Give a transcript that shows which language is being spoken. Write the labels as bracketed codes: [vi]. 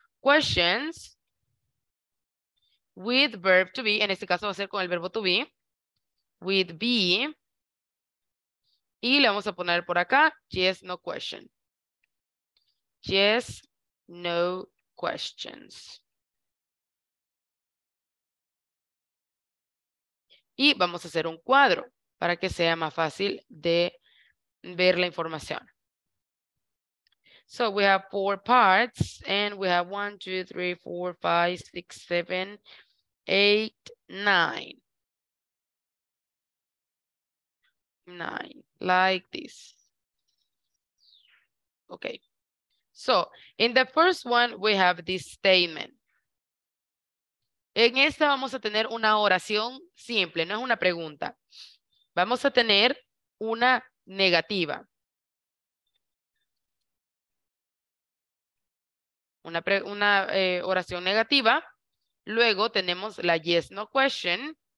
[en] Questions with verb to be, [es] en este caso va a ser con el verbo to be, with be, y le vamos a poner por acá, yes, no question. [en] Yes, no questions. [es] Y vamos a hacer un cuadro para que sea más fácil de ver la información. [en] So we have four parts, and we have 1, 2, 3, 4, 5, 6, 7, 8, 9. Like this. Okay. So, in the first one, we have this statement. [es] En esta vamos a tener una oración simple, no es una pregunta. Vamos a tener una negativa. Oración negativa. Luego tenemos la yes, no question.